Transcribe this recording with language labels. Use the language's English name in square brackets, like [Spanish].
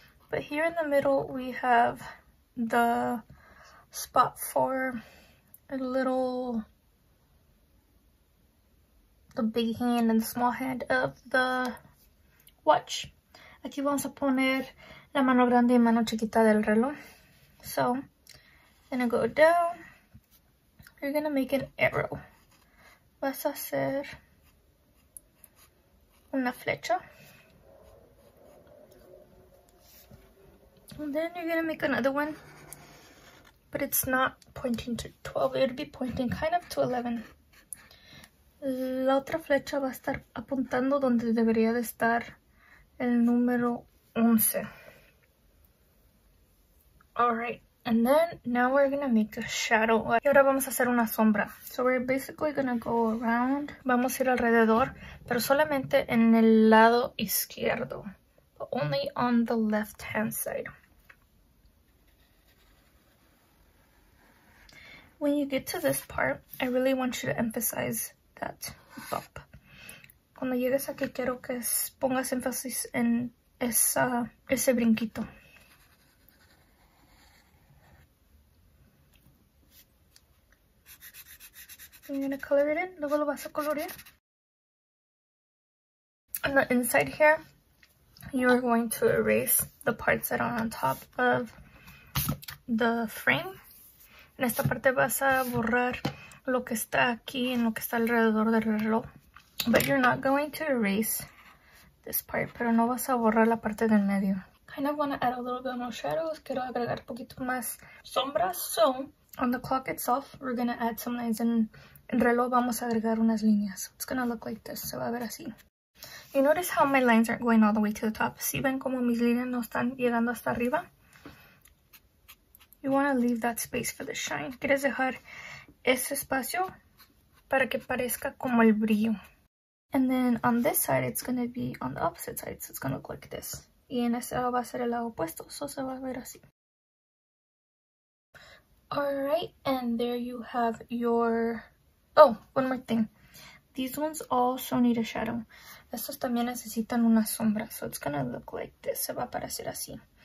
[English] But here in the middle, we have the spot for a little, the big hand and the small hand of the watch. [Spanish] Aquí vamos a poner la mano grande y mano chiquita del reloj. [English] So, gonna go down. You're gonna make an arrow. [Spanish] Vas a hacer una flecha. [English] And then you're gonna make another one. But it's not pointing to 12. It'll be pointing kind of to 11. [Spanish] La otra flecha va a estar apuntando donde debería de estar el número 11. [English] Alright. And then now we're gonna make a shadow. [Spanish] Y ahora vamos a hacer una sombra. [English] So we're basically gonna go around. [Spanish] Vamos a ir alrededor, pero solamente en el lado izquierdo. [English] But only on the left hand side. When you get to this part, I really want you to emphasize that bump. [Spanish] Cuando llegues aquí, quiero que pongas énfasis en ese brinquito. [English] You're gonna color it in. [Spanish] Luego lo vas a colorear. [English] On the inside here, you are going to erase the parts that are on top of the frame. [Spanish] En esta parte vas a borrar lo que está aquí en lo que está alrededor del reloj. [English] But you're not going to erase this part. [Spanish] Pero no vas a borrar la parte del medio. [English] Kind of want to add a little bit more shadows. [Spanish] Quiero agregar un poquito más sombras. [English] So, on the clock itself, we're gonna add some lines in. [Spanish] En reloj vamos a agregar unas líneas. [English] It's gonna look like this. [Spanish] Se va a ver así. [English] You notice how my lines aren't going all the way to the top. [Spanish] ¿Sí ven como mis líneas no están llegando hasta arriba? [English] You want to leave that space for the shine. [Spanish] Quieres dejar ese espacio para que parezca como el brillo. [English] And then on this side, it's gonna be on the opposite side. So it's gonna look like this. [Spanish] Y en ese lado va a ser el lado opuesto. So se va a ver así. [English] Alright, and there you have your... Oh, one more thing. These ones also need a shadow. [Spanish] Estos también necesitan una sombra. [English] So it's gonna look like this. [Spanish] Se va a parecer así.